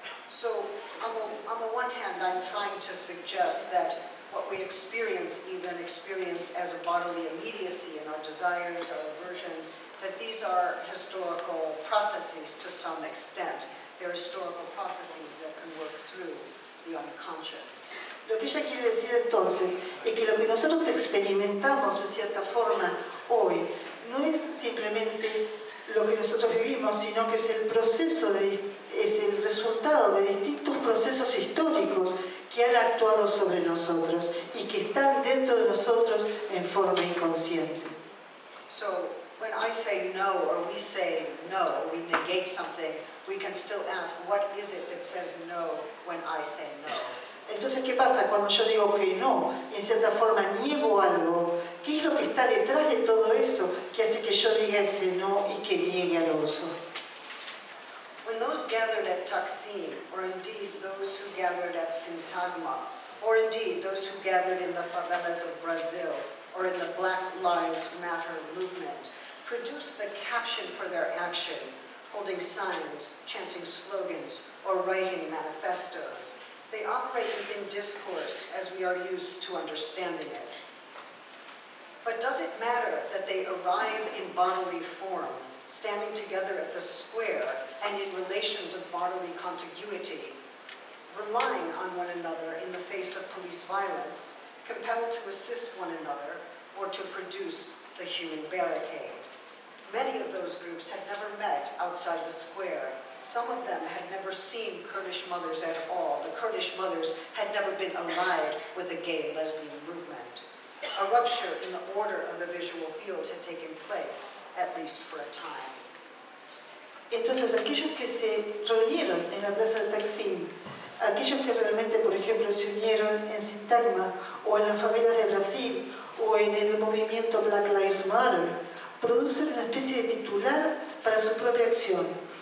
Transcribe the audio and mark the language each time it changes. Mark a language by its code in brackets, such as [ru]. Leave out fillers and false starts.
[en] So, on the one hand, I'm trying to suggest that what we experience, even experience as a bodily immediacy in our desires, our aversions, that these are historical processes to some extent. They're historical processes that can work through the unconscious. [es] Lo que ella quiere decir entonces es que lo que nosotros experimentamos en cierta forma hoy no es simplemente lo que nosotros vivimos, sino que es el proceso de es el resultado de distintos procesos históricos que han actuado sobre nosotros y que están dentro de nosotros en forma inconsciente. [en] So, when I say no or we say no, we negate something, we can still ask what is it that says no when I say no. [es] Entonces, ¿qué pasa cuando yo digo que no y en cierta forma niego algo? ¿Qué es lo que está detrás de todo eso que hace que yo diga ese no y que niegue al otro? [en] When those gathered at Taksim, or indeed those who gathered at Syntagma, or indeed those who gathered in the favelas of Brazil or in the Black Lives Matter movement, produce the caption for their action, holding signs, chanting slogans, or writing manifestos. They operate within discourse as we are used to understanding it. But does it matter that they arrive in bodily form, standing together at the square and in relations of bodily contiguity, relying on one another in the face of police violence, compelled to assist one another or to produce the human barricade? Many of those groups had never met outside the square. Some of them had never seen Kurdish mothers at all. The Kurdish mothers had never been allied with the gay and lesbian movement. A rupture in the order of the visual field had taken place, at least for a time. [es] Entonces, aquellos que se reunieron en la plaza de Taksim, aquellos que realmente, por ejemplo, se unieron en Sintagma, o en las favelas de Brasil, o en el movimiento Black Lives Matter, producen una especie de titular para su propia acción.